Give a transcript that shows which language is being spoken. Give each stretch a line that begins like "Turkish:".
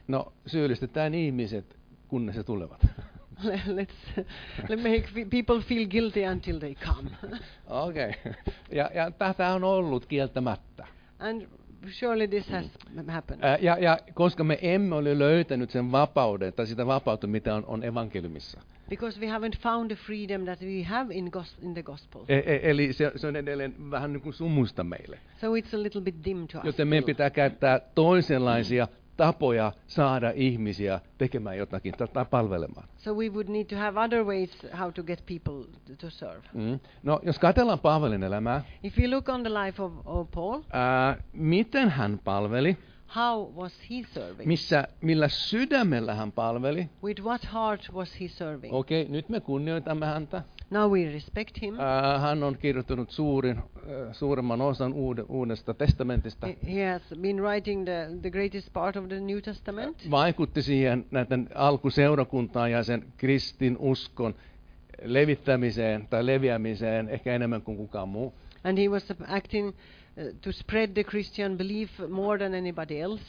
Finnish: No, syyllistetään ihmiset kunnes he tulevat.
English: Let's make people feel guilty until they come.
Finnish: Okei.
English: Okay.
Finnish: Ja tämä on ollut kieltämättä.
English: And surely this has happened.
Finnish: Ja koska me emme ole löytänyt sen vapauden tai sitä vapautta, mitä on evankeliumissa.
English: Because we haven't found the freedom that we have in the gospel.
Finnish: Eli se on edelleen vähän niin kuin sumusta meille.
English: So it's a little bit dim to us.
Finnish: Joten meidän pitää käyttää toisenlaisia tapoja saada ihmisiä tekemään jotakin tai palvelemaan.
English: So we would need to have other ways how to get people to serve. Mm.
Finnish: No, jos katsellaan Paavalin elämää.
English: If you look on the life of Paul.
Finnish: Miten hän palveli?
English: How was he serving?
Finnish: Millä sydämellä hän palveli?
English: With what heart was he serving?
Finnish: Okei, nyt me kunnioitamme häntä.
English: Now we respect him.
Finnish: Hän on kirjoittanut suuremman osan uudesta testamentista.
English: He has been writing the greatest part of the New Testament.
Finnish: Vaikutti siihen näiden alkuseurakuntaan ja sen kristin uskon levittämiseen tai leviämiseen ehkä enemmän kuin kukaan muu.
English: And he was acting to spread the Christian belief more than anybody else.